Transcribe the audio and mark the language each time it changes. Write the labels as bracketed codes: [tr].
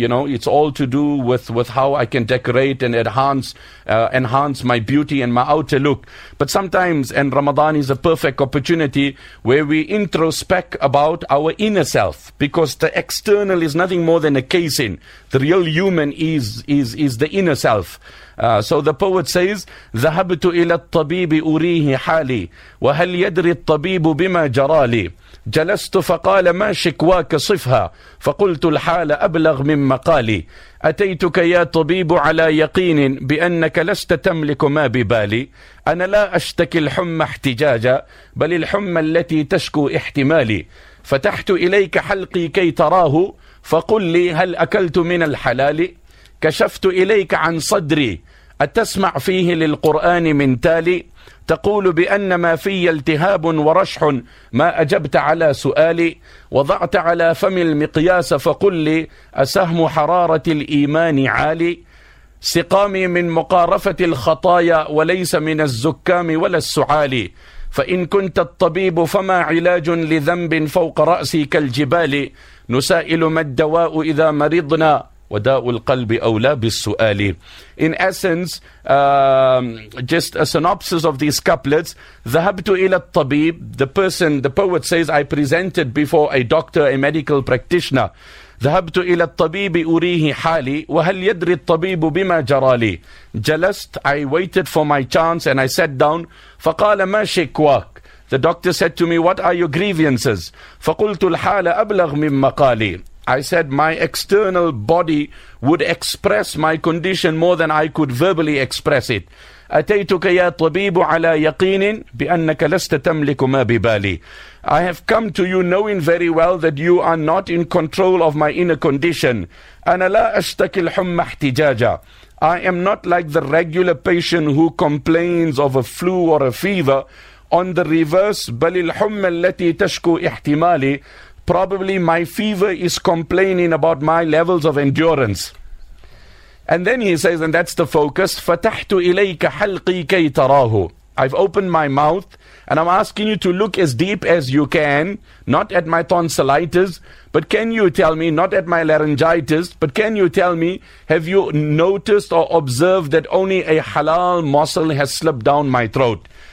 [en] You know, it's all to do with how I can decorate and enhance my beauty and my outer look. But sometimes, and Ramadan is a perfect opportunity where we introspect about our inner self, because the external is nothing more than a casing. The real human is the inner self. So the poet says, [ar] "ذَهَبْتُ إِلَى الطَّبِيبِ أُرِيهِ حَالِي وَهَلْ يَدْرِي الطَّبِيبُ بِمَا جَرَالِي جلست فقال ما شكواك صفها فقلت الحال أبلغ من مقالي أتيتك يا طبيب على يقين بأنك لست تملك ما ببالي أنا لا أشتكي الحمى احتجاجا بل الحمى التي تشكو احتمالي فتحت إليك حلقي كي تراه فقل لي هل أكلت من الحلال كشفت إليك عن صدري أتسمع فيه للقرآن من تالي تقول بأن ما في التهاب ورشح ما أجبت على سؤالي وضعت على فم المقياس فقل لي أسهم حرارة الإيمان عالي سقامي من مقارفة الخطايا وليس من الزكام ولا السعال فإن كنت الطبيب فما علاج لذنب فوق رأسي كالجبال نسائل ما الدواء إذا مرضنا وداء القلب أولى بالسؤال. [en] In essence, just a synopsis of these couplets. [ar] ذَهَبْتُ إِلَى الطَّبِيبِ. [en] The person, the poet says, I presented before a doctor, a medical practitioner. [ar] ذَهَبْتُ إِلَى الطَّبِيبِ أُرِيهِ حَالِي وَهَلْ يَدْرِي الطَّبِيبُ بِمَا جَرَالِي جَلَسْتُ. [en] I waited for my chance and I sat down. [ar] فَقَالَ مَا شِكْوَاكُ. [en] The doctor said to me, what are your grievances? [ar] فَقُلْتُ الْحَالَ أَبْلَغْ مِنْ مَقَالِي. [en] I said, my external body would express my condition more than I could verbally express it. [ar] أَتَيْتُكَ يَا طَبِيبُ عَلَى يَقِينٍ بِأَنَّكَ لَسْتَ تَمْلِكُ مَا بِبَالِي. [en] I have come to you knowing very well that you are not in control of my inner condition. [ar] أَنَا لَا أَشْتَكِ الْحُمَّ احْتِجَاجًا. [en] I am not like the regular patient who complains of a flu or a fever. On the reverse, [ar] بَلِ الْحُمَّ الَّتِي تَشْكُو احْتِمَالِي. [en] Probably my fever is complaining about my levels of endurance. And then he says, and that's the focus, [ar] فَتَحْتُ إِلَيْكَ حَلْقِي كَيْ تَرَاهُ. [en] I've opened my mouth and I'm asking you to look as deep as you can, not at my tonsillitis, but can you tell me, not at my laryngitis, but can you tell me, have you noticed or observed that only a halal morsel has slipped down my throat?